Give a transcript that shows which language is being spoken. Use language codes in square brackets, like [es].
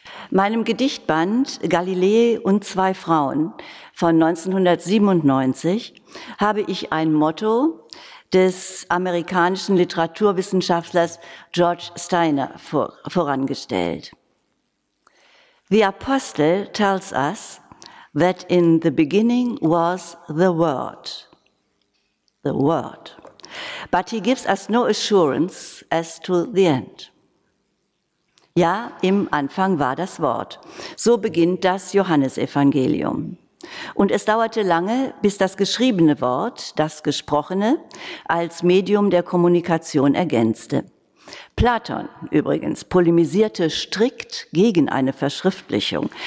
[de] meinem Gedichtband Galilei und zwei Frauen von 1997 habe ich ein Motto des amerikanischen Literaturwissenschaftlers George Steiner vorangestellt. [en] The Apostle tells us that in the beginning was the Word. The Word. But he gives us no assurance as to the end. [de] Ja, im Anfang war das Wort. So beginnt das Johannesevangelium. Und es dauerte lange, bis das geschriebene Wort, das Gesprochene, als Medium der Kommunikation ergänzte. Platon übrigens polemisierte strikt gegen eine Verschriftlichung.